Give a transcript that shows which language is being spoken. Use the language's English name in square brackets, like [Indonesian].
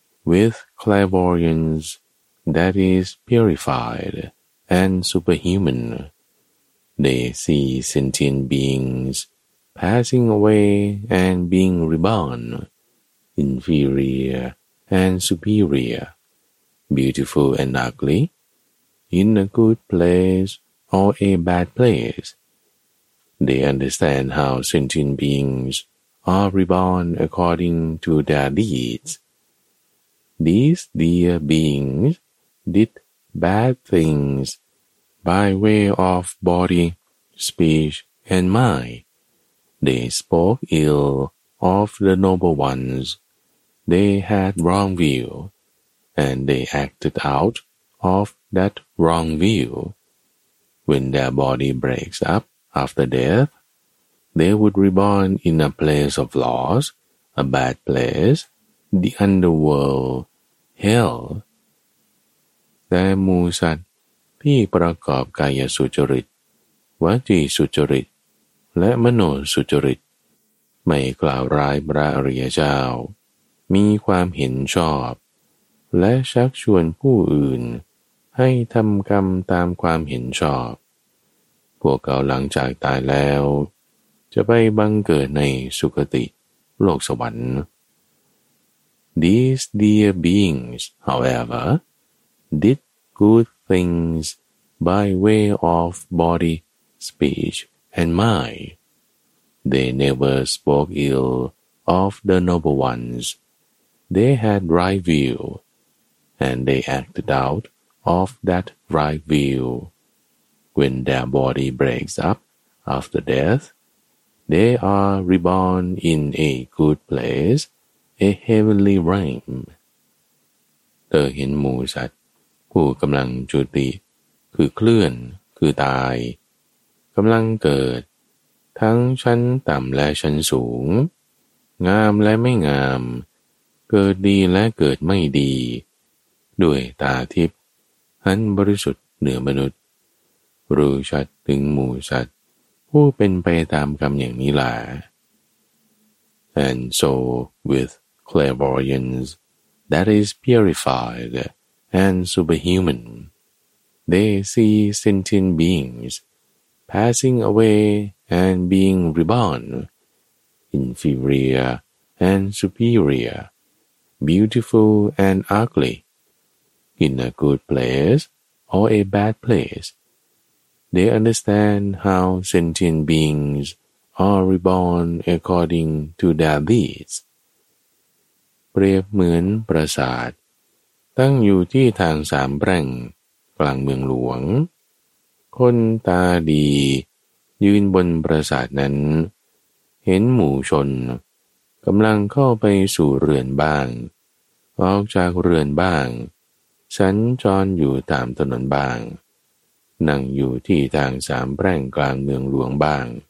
[English] With clairvoyance that is purified and superhuman they see sentient beingspassing away and being reborn, inferior and superior, beautiful and ugly, in a good place or a bad place. They understand how sentient beings are reborn according to their deeds. These dear beings did bad things by way of body, speech and mind. They spoke ill of the noble ones. They had wrong view, and they acted out of that wrong view. When their body breaks up after death, they would reborn in a place of loss, a bad place, the underworld, hell. [Thai] แต่หมู่สัตว์ที่ประกอบกายสุจริตวจีสุจริตและมโนสุจริตไม่กล่าวร้ายพระอริยเจ้ามีความเห็นชอบและชักชวนผู้อื่นให้ทำกรรมตามความเห็นชอบ พวกเขาหลังจากตายแล้วจะไปบังเกิดในสุคติโลกสวรรค์ [English] These dear beings, however, did good things by way of body, speechAnd mine, they never spoke ill of the noble ones. They had right view, and they acted out of that right view. When their body breaks up after death, they are reborn in a good place, a heavenly realm. [Thai] เธอเห็นหมู่สัตว์ผู้กำลังจุติคือเคลื่อนคือตายกำลังเกิดทั้งชั้นต่ำและชั้นสูงงามและไม่งามเกิดดีและเกิดไม่ดี ด้วยตาทิพย์หันบริสุทธิ์เหนือมนุษย์รู้ชัดถึงหมู่สัตว์ผู้เป็นไปตามกรรมอย่างนี้แหละ [English] And so with clairvoyance that is purified and superhuman they see sentient beingspassing away and being reborn, inferior and superior, beautiful and ugly, in a good place or a bad place. They understand how sentient beings are reborn according to their deeds. [Thai] เปรียบเหมือนปราสาทตั้งอยู่ที่ทางสามแพร่งกลางเมืองหลวงคนตาดียืนบนปราสาทนั้นเห็นหมู่ชนกำลังเข้าไปสู่เรือนบ้างออกจากเรือนบ้างสัญจรอยู่ตามถนนบ้างนั่งอยู่ที่ทางสามแพร่งกลางเมืองหลวงบ้าง